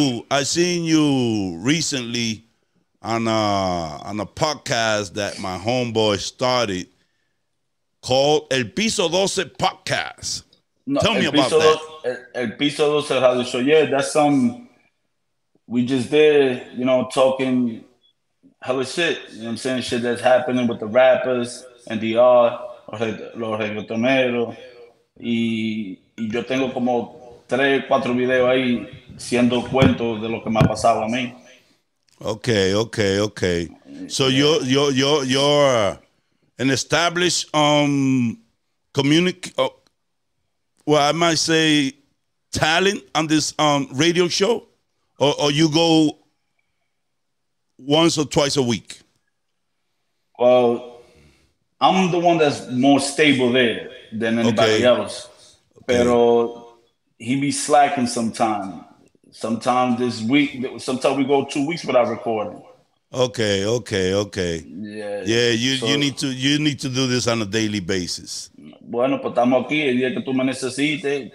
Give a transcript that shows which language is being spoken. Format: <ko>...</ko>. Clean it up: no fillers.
<en>I seen you recently on a podcast that my homeboy started called El Piso 12 Podcast. No, tell me about that. El Piso 12 Radio Show. Yeah, that's some we just did, you know, talking hella shit. You know what I'm saying? Shit that's happening with the rappers and the art,</en> <es>los reggaetoneros. Y yo tengo como 3-4 videos ahí siendo cuentos de lo que me ha pasado a mí.</es> <en>Okay. So yeah. you're an established talent on this radio show, or you go once or twice a week? Well, I'm the one that's more stable there than anybody else.</en> <es>Pero</es> <en>he be slacking sometimes. Sometimes we go 2 weeks without recording. Okay. Yeah. You need to do this on a daily basis.</en> <es>Bueno, pues estamos aquí el día que tú me necesites.</es>